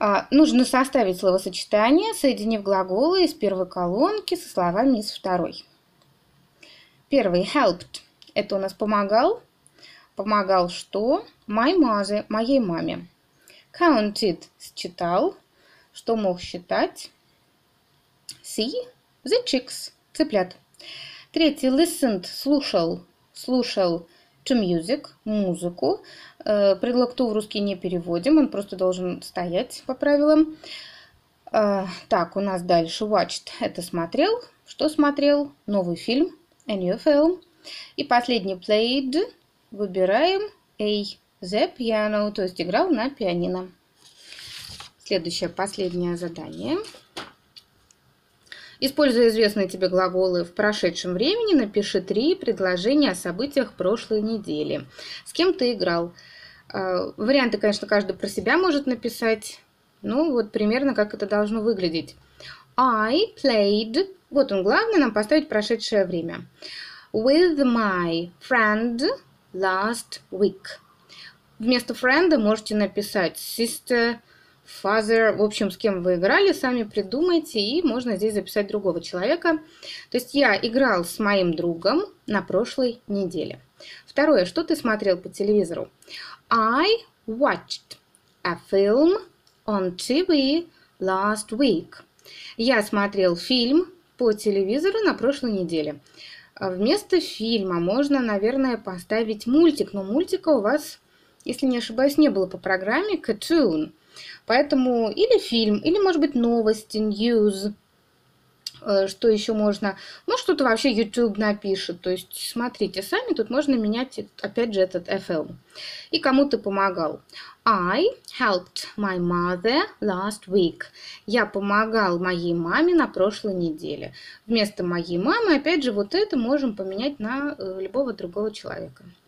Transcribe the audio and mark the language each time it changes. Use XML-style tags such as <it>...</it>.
<ru>Нужно составить словосочетание, соединив глаголы из первой колонки со словами из второй. Первый – helped – это у нас помогал. Помогал что?</ru> <en>My mother</en> <ru>– моей маме. Counted – считал, что мог считать.</ru> <en>See – the chicks, цыплят.</en> <ru>Третий, listened, слушал, слушал</ru> <en>to music,</en> <ru>музыку. Предлог to в русский не переводим, он просто должен стоять по правилам. Так, у нас дальше watched, это смотрел. Что смотрел? Новый фильм,</ru> <en>a new film.</en> <ru>И последний, played, выбираем a, the piano, то есть играл на пианино. Следующее, последнее задание. Используя известные тебе глаголы в прошедшем времени, напиши три предложения о событиях прошлой недели. С кем ты играл? Варианты, конечно, каждый про себя может написать. Ну, вот примерно как это должно выглядеть.</ru> <en>I played.</en> <ru>Вот он, главное нам поставить прошедшее время.</ru> <en>With my friend last week.</en> <ru>Вместо friend можете написать sister, father, в общем, с кем вы играли, сами придумайте, и можно здесь записать другого человека. То есть я играл с моим другом на прошлой неделе. Второе, что ты смотрел по телевизору?</ru> <en>I watched a film on TV last week.</en> <ru>Я смотрел фильм по телевизору на прошлой неделе. Вместо фильма можно, наверное, поставить мультик, но мультика у вас, если не ошибаюсь, не было по программе cartoon. Поэтому или фильм, или, может быть, новости, news. Что еще можно? Может, кто-то вообще YouTube напишет. То есть, смотрите сами, тут можно менять, опять же, этот FL. И кому ты помогал?</ru> <en>I helped my mother last week.</en> <ru>Я помогал моей маме на прошлой неделе. Вместо моей мамы, опять же, вот это можем поменять на любого другого человека.</ru>